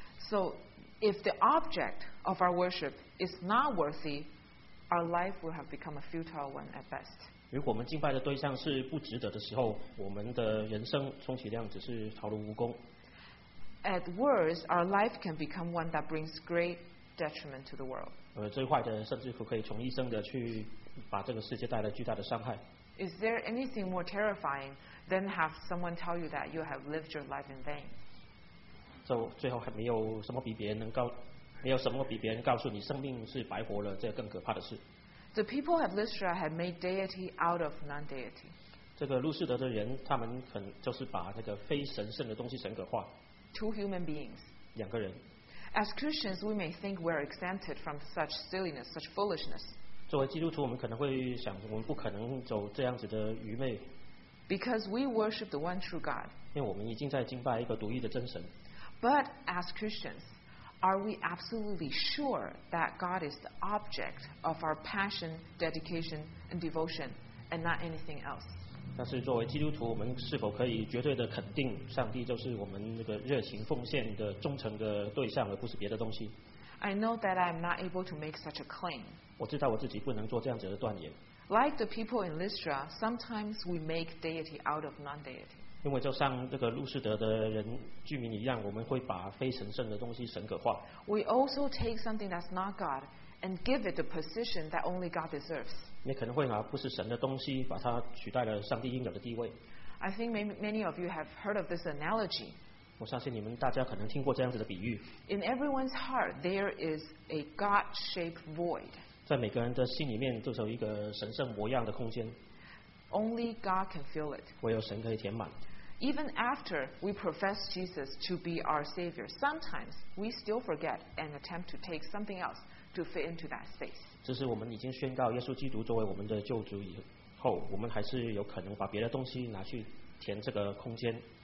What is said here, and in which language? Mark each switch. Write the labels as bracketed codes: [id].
[en] So, if the object of our worship is not worthy, our life will have become a futile one at best. [zh] 如果我们敬拜的对象是不值得的时候，我们的人生充其量只是徒劳无功。 [en] At worst, our life can become one that brings great detriment to the world. [zh] 最坏的甚至可以从一生的去把这个世界带来巨大的伤害。 [en] Is there anything more terrifying than have someone tell you that you have lived your life in vain? [zh] So, 最后还没有什么比别人能告，没有什么比别人告诉你生命是白活了，这个更可怕的事。 [en] The people of Lystra had made deity out of non-deity. [zh] 这个路士德的人，他们很就是把那个非神圣的东西神格化。 [en] Two human beings. [zh] 两个人。 [en] As Christians, we may think we're exempted from such silliness, such foolishness. [zh] 作为基督徒，我们可能会想，我们不可能走这样子的愚昧。 [en] Because we worship the one true God. [zh] 因为我们已经在敬拜一个独一的真神。 [en] But as Christians, are we absolutely sure that God is the object of our passion, dedication, and devotion, and not anything else? [zh] 但是作为基督徒，我们是否可以绝对的肯定，上帝就是我们那个热情奉献的忠诚的对象，而不是别的东西？ [en] I know that I'm not able to make such a claim. [zh] 我知道我自己不能做这样子的断言。 [en] Like the people in Lystra, sometimes we make deity out of non-deity. [zh] 因为就像这个路士德的人居民一样，我们会把非神圣的东西神格化。 [en] We also take something that's not God and give it the position that only God deserves. [zh] 你可能会拿不是神的东西，把它取代了上帝应有的地位。 [en] I think many of you have heard of this analogy. [zh] 我相信你们大家可能听过这样子的比喻。 [en] In everyone's heart, there is a God-shaped void. [zh] 在每个人的心里面，就是有一个神圣模样的空间。 [en] Only God can fill it. [zh] 唯有神可以填满。 [en] Even after we profess Jesus to be our Savior, sometimes we still forget and attempt to take something else to fit into that space. [zh] 只是我们已经宣告耶稣基督作为我们的救主以后，我们还是有可能把别的东西拿去填这个空间。